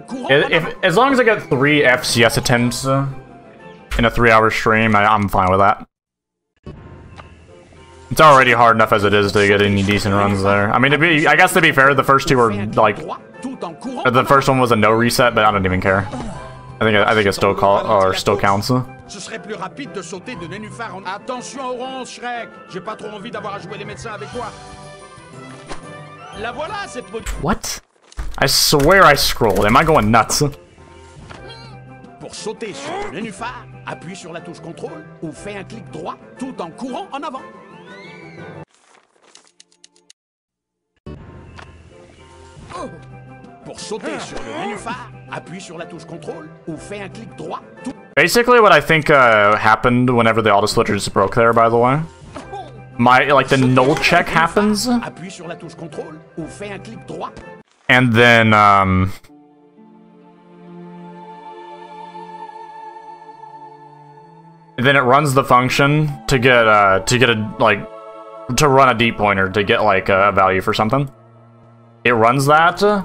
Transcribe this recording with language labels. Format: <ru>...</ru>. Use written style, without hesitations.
<en>If, as long as I get three FCS attempts in a 3-hour stream, I'm fine with that. It's already hard enough as it is to get any decent runs there. I mean, to be fair, the first two were like... The first one was a no reset, but I don't even care. I think it still call or still counts.</en> <fr>Ce serait plus rapide de sauter de nénuphar en... Attention orange, Shrek! J'ai pas trop envie d'avoir à jouer les médecins avec toi. La voilà, cette...</fr> <en>What? I swear I scrolled. Am I going nuts?</en> <fr>Pour sauter sur le nénuphar, appuie sur la touche contrôle ou fais un clic droit tout en courant en avant. Pour sauter sur le nénuphar, appuie sur la touche contrôle ou fais un clic droit tout...</fr> <en>Basically, what I think happened whenever the auto switch just broke there, by the way. The null check happens. And then, then it runs the function to run a deep pointer to get, like, a value for something. It runs that.</en>